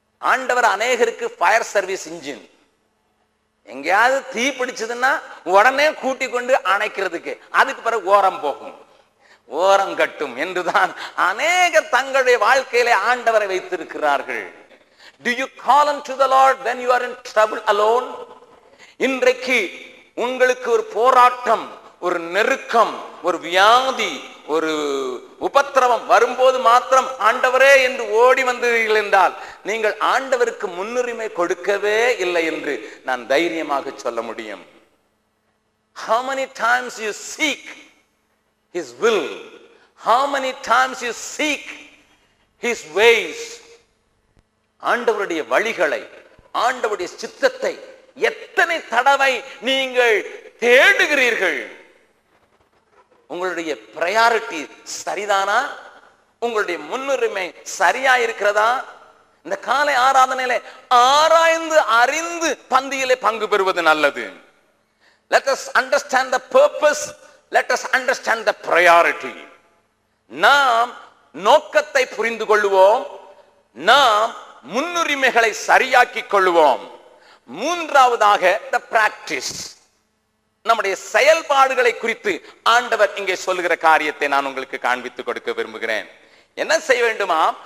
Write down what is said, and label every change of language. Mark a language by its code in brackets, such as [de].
[ta] ஆண்டவர் அநேகருக்கு fire service engine. எங்கேயாவது தீ பிடிச்சதுன்னா உடனே கூட்டிக் கொண்டு அணைக்கிறதுக்கு, அதுக்கு பிறகு ஓரம் போகும். ஓரம் கட்டும் என்றுதான் அநேக தங்களுடைய வாழ்க்கையிலே ஆண்டவரை வைத்திருக்கிறார்கள். [en] Do you call unto the Lord when you are in trouble alone? [ta] இன்றைக்கு உங்களுக்கு ஒரு போராட்டம், ஒரு நெருக்கம், ஒரு வியாதி, ஒரு உபத்திரவம் வரும்போது மாத்திரம் ஆண்டவரே என்று ஓடி வந்தீர்கள் என்றால் நீங்கள் ஆண்டவருக்கு முன்னுரிமை கொடுக்கவே இல்லை என்று நான் தைரியமாக சொல்ல முடியும். [en] How many times you seek His will? How many times you seek His ways? [ta] ஆண்டவருடைய வழிகளை, ஆண்டவருடைய சித்தத்தை எத்தனை தடவை நீங்கள் தேடுகிறீர்கள்? உங்களுடைய பிரையாரிட்டி சரிதானா? உங்களுடைய முன்னுரிமை சரியா இருக்கிறதா? இந்த காலை ஆராதனையில ஆராய்ந்து அறிந்து பந்தியிலே பங்கு பெறுவது நல்லது. [en] Let us understand the purpose, let us understand the priority. [ta] நாம் நோக்கத்தை புரிந்து கொள்வோம், நாம் முன்னுரிமைகளை சரியாக்கிக் கொள்வோம். மூன்றாவதாக the practice. நம்முடைய செயல்பாடுகளை குறித்து ஆண்டவர் இங்கே சொல்கிற காரியத்தை நான் உங்களுக்கு காண்பித்துக் கொடுக்க விரும்புகிறேன். என்ன செய்ய வேண்டுமா?